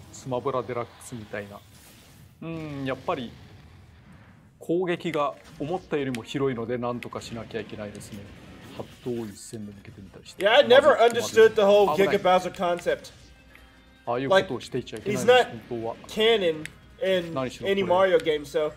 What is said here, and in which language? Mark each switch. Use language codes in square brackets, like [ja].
[ja] スマブラデラックスみたいな。やっぱり攻撃が思ったよりも広いので何とかしなきゃいけないですね。発動一線で抜けてみたりして。 [en] Yeah, I never understood the whole Giga Bowser concept. [ja] ああいうことをしていちゃいけないんです、本当は。 [en] Like, he's not canon in any Mario game, so.